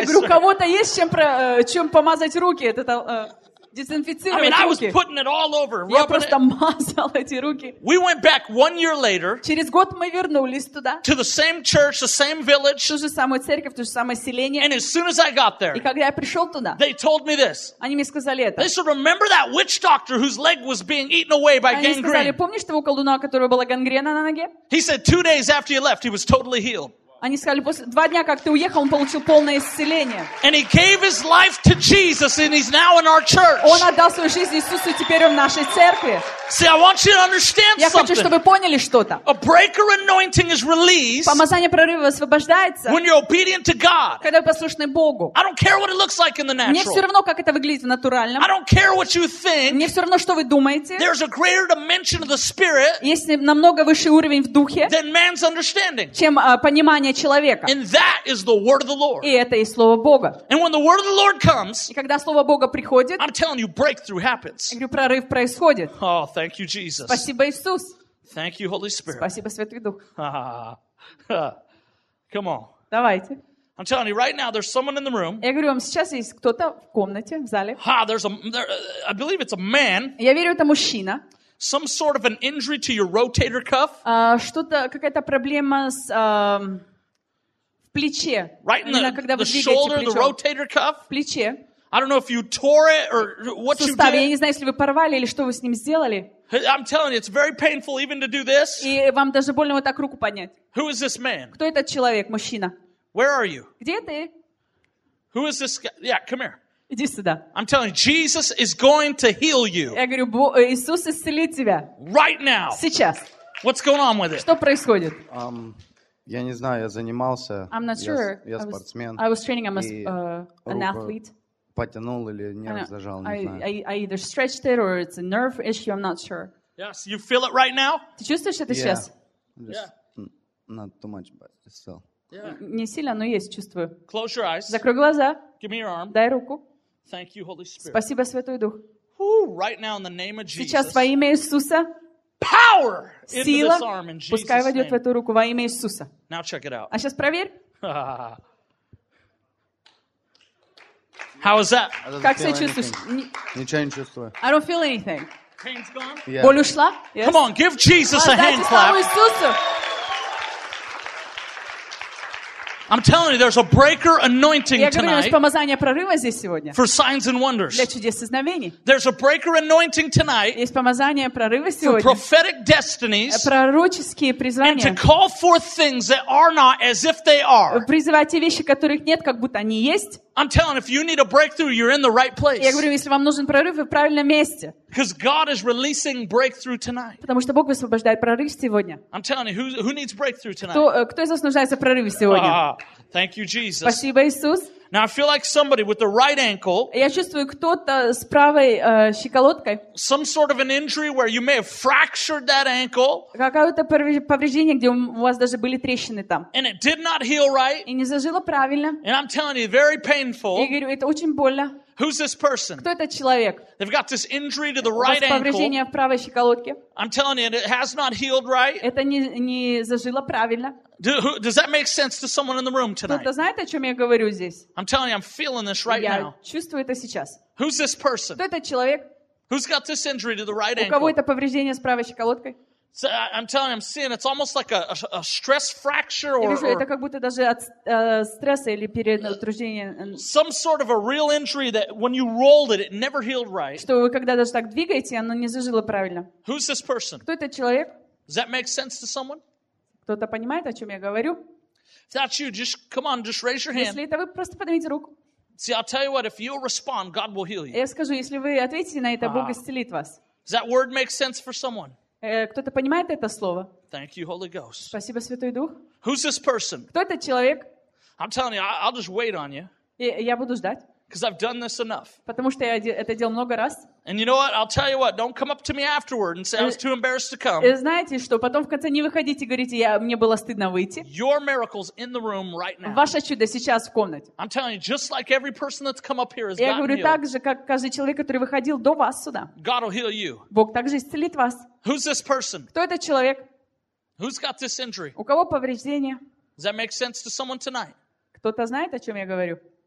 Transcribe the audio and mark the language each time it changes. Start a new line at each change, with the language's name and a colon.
Russian: Я говорю, у кого-то есть чем помазать руки, это дезинфицировать руки.
English: I mean, I was putting it all over.
Russian: Я просто мазал эти руки.
English: We went back 1 year later.
Russian: Через год мы вернулись туда.
English: To the same church, the same village.
Russian: Ту же самую церковь, то же самое селение.
English: And as soon as I got there.
Russian: И когда я пришел туда.
English: They told me this.
Russian: Они мне сказали это.
English: They said, remember that witch doctor whose leg was being eaten away by gangrene?
Russian: Они сказали, помнишь того колдуна, у которого была гангрена на ноге?
English: He said, 2 days after you left, he was totally healed.
Russian: Они сказали, после 2 дня, как ты уехал, он получил полное исцеление.
English: And he gave his life to Jesus, and he's now in our church.
Russian: Он отдал свою жизнь Иисусу, и теперь он в нашей церкви.
English: See, I want you to understand something.
Russian: Я хочу, чтобы вы поняли что-то.
English: A breaker anointing is released.
Russian: Помазание прорыва освобождается.
English: When you're obedient to God.
Russian: Когда вы послушны Богу.
English: I don't care what it looks like in the natural.
Russian: Мне все равно, как это выглядит в натуральном.
English: I don't care what you think.
Russian: Мне все равно, что вы думаете.
English: There's a greater dimension of the spirit.
Russian: Есть намного высший уровень в духе.
English: Than man's understanding.
Russian: Чем понимание человека.
English: And that is the word of the Lord.
Russian: И это и слово Бога.
English: And when the word of the Lord comes.
Russian: И когда слово Бога приходит.
English: I'm telling you, breakthrough happens.
Russian: Я говорю, прорыв происходит.
English: Oh, thank you, Jesus.
Russian: Спасибо, Иисус.
English: Thank you, Holy Spirit.
Russian: Спасибо, Святой Дух.
English: Come on.
Russian: Давайте.
English: I'm telling you, right now, there's someone in the room.
Russian: Я говорю вам, сейчас есть кто-то в комнате, в зале.
English: Ha, there's a, there, I believe it's a man.
Russian: Я верю, это мужчина.
English: Some sort of an injury to your rotator cuff.
Russian: Что-то, какая-то проблема с в плече.
English: Right in the shoulder, the rotator cuff.
Russian: В плече.
English: I don't know if you tore it or what you did.
Russian: Сустав, я не знаю, если вы порвали или что вы с ним сделали.
English: I'm telling you, it's very painful even to do this.
Russian: И вам даже больно вот так руку поднять.
English: Who is this man?
Russian: Кто этот человек, мужчина?
English: Where are you?
Russian: Где ты?
English: Who is this guy? Yeah, come here.
Russian: Иди сюда.
English: I'm telling you, Jesus is going to heal you.
Russian: Я говорю, Иисус исцелит тебя.
English: Right now.
Russian: Сейчас.
English: What's going on with it?
Russian: Что происходит? Я не знаю, я занимался.
English: I'm not sure.
Russian: Я спортсмен.
English: I was training, I'm a, an athlete.
Russian: Потянул или нерв зажал, не знаю.
English: I either stretched it or it's a nerve issue, I'm not sure. Yes, you feel it right now?
Russian: Ты чувствуешь это
English: yeah.
Russian: сейчас?
English: Just not too much, but still. Yeah.
Russian: Не сильно, но есть, чувствую.
English: Close your eyes.
Russian: Закрой глаза.
English: Give me your arm.
Russian: Дай руку.
English: Thank you, Holy Spirit.
Russian: Спасибо, Святой Дух.
English: Woo, right now in the name of Jesus.
Russian: Сейчас во имя Иисуса.
English: Power into
Russian: Сила
English: this arm in Jesus'
Russian: пускай войдет
English: name.
Russian: В эту руку во имя Иисуса.
English: Now check it out.
Russian: А сейчас проверь.
English: How is that?
Russian: Как себя чувствуешь? Ничего не чувствую.
English: I don't feel anything. Pain's gone? Yeah.
Russian: Боль ушла?
English: Yes. Come on, give Jesus a hand clap. I'm telling you, there's a breaker anointing tonight.
Russian: Я говорю, у нас помазание прорыва здесь сегодня.
English: For signs and wonders.
Russian: Для чудес и знамений.
English: There's a breaker anointing tonight.
Russian: Есть помазание прорыва сегодня.
English: For prophetic destinies.
Russian: Пророческие призвания.
English: And to call forth things that are not as if they are.
Russian: Призывать те вещи, которых нет, как будто они есть.
English: I'm telling, if you need a breakthrough, you're in the right place.
Russian: Я говорю, если вам нужен прорыв, вы в правильном месте.
English: Because God is releasing breakthrough tonight.
Russian: Потому что Бог высвобождает прорыв сегодня.
English: I'm telling, who needs breakthrough tonight?
Russian: Кто из вас нуждается в прорыве сегодня?
English: Thank you, Jesus.
Russian: Спасибо, Иисус.
English: Now I feel like somebody with the right ankle.
Russian: Я чувствую кто-то с правой щиколоткой.
English: Some sort of an injury where you may have fractured that ankle.
Russian: Какое-то повреждение, где у вас даже были трещины там.
English: And it did not heal right.
Russian: И не зажило правильно.
English: And I'm telling you, very painful.
Russian: Я говорю, это очень больно.
English: Who's this person?
Russian: Кто этот человек?
English: They've got this injury to the right ankle.
Russian: Повреждение в правой щиколотке.
English: I'm telling you, it has not healed right.
Russian: Это не зажило правильно.
English: Does that make sense to someone in the room tonight?
Russian: Кто-то знает, о чем я говорю здесь?
English: I'm telling you, I'm feeling this right now.
Russian: Я чувствую это сейчас.
English: Who's this person?
Russian: Кто этот человек?
English: Who's got this injury to the right ankle?
Russian: У кого это повреждение с правой щиколоткой?
English: So I'm telling you, I'm seeing it's almost like a stress fracture or.
Russian: Я вижу, это как будто даже от стресса или перенатружения.
English: Some sort of a real injury that when you rolled it, it never healed right.
Russian: Что вы когда даже так двигаете, оно не зажило правильно.
English: Who's this person?
Russian: Кто этот человек?
English: Does that make sense to someone?
Russian: Кто-то понимает, о чем я говорю?
English: If that's you, just come on, just raise your hand.
Russian: Если это вы, просто поднимите руку.
English: See, I'll tell you what, if you'll respond, God will heal you.
Russian: Я скажу, если вы ответите на это, Бог исцелит вас.
English: Does that word make sense for someone?
Russian: Кто-то понимает это слово?
English: Thank you, Holy Ghost.
Russian: Спасибо, Святой Дух.
English: Who's this person?
Russian: Кто этот человек?
English: I'm telling you, I'll just wait on you.
Russian: Я буду ждать.
English: Because I've done this enough.
Russian: Потому что я это делал много раз.
English: And you know what? I'll tell you what. Don't come up to me afterward and say I was too embarrassed to come.
Russian: Знаете что? Потом в конце не выходите и говорите, мне было стыдно выйти.
English: Your miracle's in the room right now.
Russian: Ваше чудо сейчас в комнате.
English: I'm telling you, just like every person that's come up here has got healed.
Russian: Я говорю так же, как каждый человек, который выходил до вас сюда.
English: God will heal you.
Russian: Бог также исцелит вас.
English: Who's this person?
Russian: Кто этот человек?
English: Who's got this injury?
Russian: У кого повреждение?
English: Does that make sense to someone tonight?
Russian: Кто-то знает, о чем я говорю?